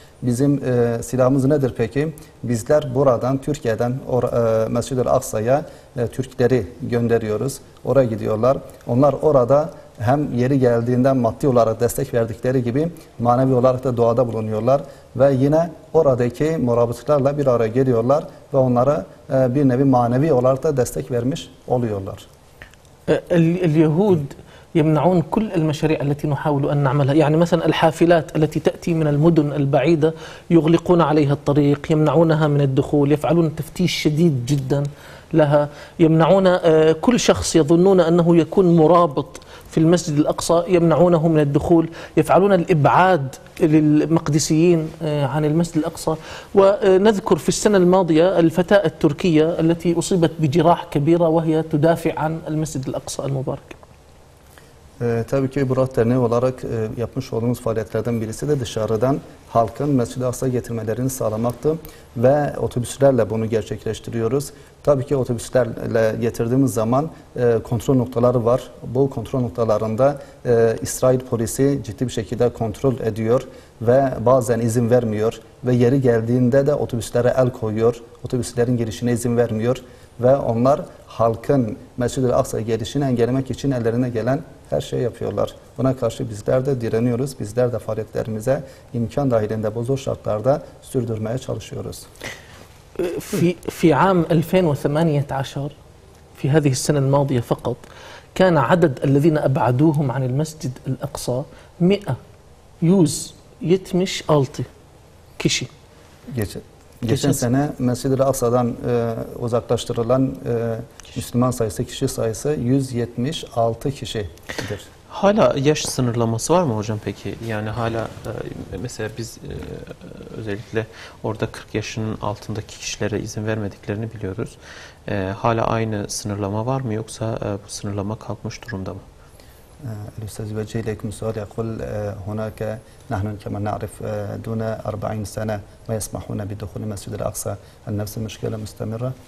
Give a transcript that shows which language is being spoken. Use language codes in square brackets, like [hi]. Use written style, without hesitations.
[tr] Bizim silahımız nedir peki? Bizler buradan, Türkiye'den Mescid-i Aksa'ya Türkleri gönderiyoruz. Oraya gidiyorlar. Onlar orada hem yeri geldiğinden maddi olarak destek verdikleri gibi manevi olarak da duada bulunuyorlar. Ve yine oradaki murabıtlarla bir araya geliyorlar ve onlara bir nevi manevi olarak da destek vermiş oluyorlar. [ar] اليهود يمنعون كل المشاريع التي نحاول أن نعملها، يعني مثلا الحافلات التي تأتي من المدن البعيدة يغلقون عليها الطريق، يمنعونها من الدخول، يفعلون تفتيش شديد جدا لها، يمنعون كل شخص يظنون أنه يكون مرابط في المسجد الأقصى يمنعونه من الدخول، يفعلون الإبعاد للمقدسيين عن المسجد الأقصى. ونذكر في السنة الماضية الفتاة التركية التي أصيبت بجراح كبيرة وهي تدافع عن المسجد الأقصى المبارك. [tr] Tabii ki Burak Derneği olarak yapmış olduğumuz faaliyetlerden birisi de dışarıdan halkın Mescid-i Aksa getirmelerini sağlamaktı ve otobüslerle bunu gerçekleştiriyoruz. Tabii ki otobüslerle getirdiğimiz zaman kontrol noktaları var. Bu kontrol noktalarında İsrail polisi ciddi bir şekilde kontrol ediyor ve bazen izin vermiyor ve yeri geldiğinde de otobüslere el koyuyor, otobüslerin girişine izin vermiyor ve onlar halkın Mescid-i Aksa gelişini engellemek için ellerine gelen her şeyi yapıyorlar. Buna karşı bizler de direniyoruz. Bizler de faaliyetlerimize imkan dahilinde bu zor şartlarda sürdürmeye çalışıyoruz. [ar] في عام 2018 في هذه السنة الماضية فقط كان عدد الذين أبعدوهم عن المسجد الأقصى 100 [tr] يوز يتمش ألتي كشي. Geçen sene Mescid-i Aksa'dan uzaklaştırılan Müslüman sayısı, kişi sayısı 176 kişidir. Hala yaş sınırlaması var mı hocam peki? Yani hala mesela biz özellikle orada 40 yaşın altındaki kişilere izin vermediklerini biliyoruz. Hala aynı sınırlama var mı yoksa bu sınırlama kalkmış durumda mı? [ar] الأستاذ يوجه إليكم سؤال يقول هناك نحن كما نعرف دون 40 سنة ما يسمحون بدخول المسجد الأقصى، هل نفس المشكلة مستمرة؟